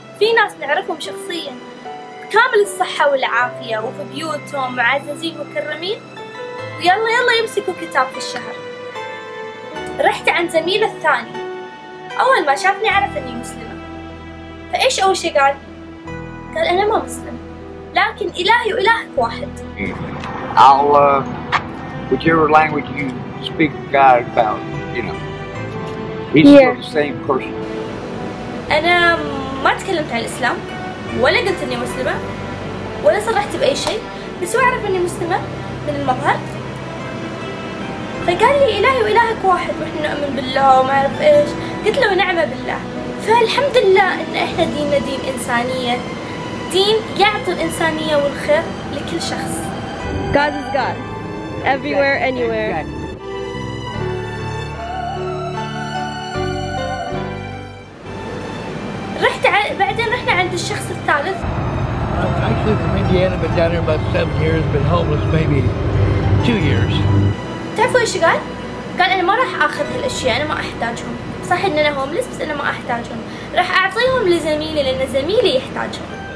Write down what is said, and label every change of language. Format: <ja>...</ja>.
<ar>في ناس نعرفهم شخصيا كامل الصحة والعافية وفي بيوتهم معززين مكرمين، ويلا يلا يمسكوا كتاب في الشهر. رحت عند زميلة الثاني، أول ما شافني عرف أني مسلمة، فإيش أول شي قال؟ قال أنا ما مسلم لكن إلهي وإلهك واحد.</ar> <en>I'll whichever language you speak God about, you know, he's still the same person.</en> <ar>أنا ما تكلمت عن الإسلام ولا قلت أني مسلمة ولا صرحت بأي شيء، بس هو عرف أني مسلمة من المظهر، فقال لي إلهي وإلهك واحد وإحنا نؤمن بالله وما أعرف إيش. قلت له نعمة بالله، فالحمد لله إن إحنا ديننا دين إنسانية، دين يعطي الإنسانية والخير لكل شخص.</ar> <en>God is God everywhere anywhere.</en> <ar>بعدين رحنا عند الشخص الثالث.</ar> <en>Actually from Indiana, been down here about 7 years, been homeless maybe 2 years.</en> <ar>تعرفوا ايش قال؟ قال انا ما راح اخذ هالاشياء، انا ما احتاجهم، صح ان انا هوملس بس انا ما احتاجهم، راح اعطيهم لزميلي لان زميلي يحتاجهم.</ar>